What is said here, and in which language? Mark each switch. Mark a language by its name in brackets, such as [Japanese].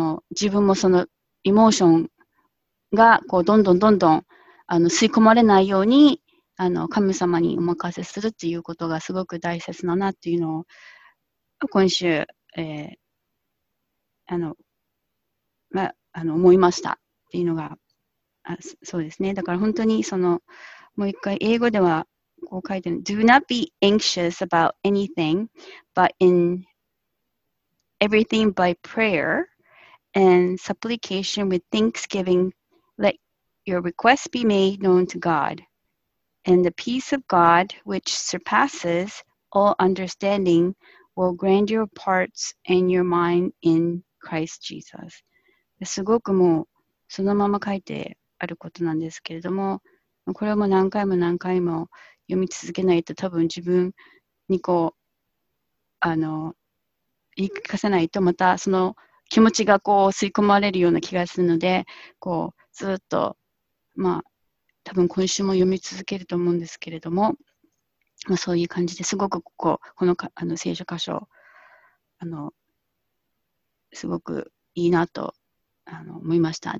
[Japanese] 自分もそのエモーションがこうどんどんどんどん吸い込まれないように、神様にお任せするっていうことがすごく大切だなっていうのを今週、思いましたっていうのが、そうですね。だから本当にそのもう一回英語ではこう書いてる、 [English] Do not be anxious about anything, but in everything by prayer and supplication with thanksgiving, let your requests be made known to God. And the peace of God, which surpasses all understanding, will grant your parts and your mind in Christ Jesus. [Japanese] すごくもうそのまま書いてあることなんですけれども、これも何回も何回も読み続けないと、多分自分にこう、言い聞かせないと、またその気持ちがこう吸い込まれるような気がするので、こうずっと、まあ、多分今週も読み続けると思うんですけれども、まあ、そういう感じですごくこの聖書箇所すごくいいなと思いました。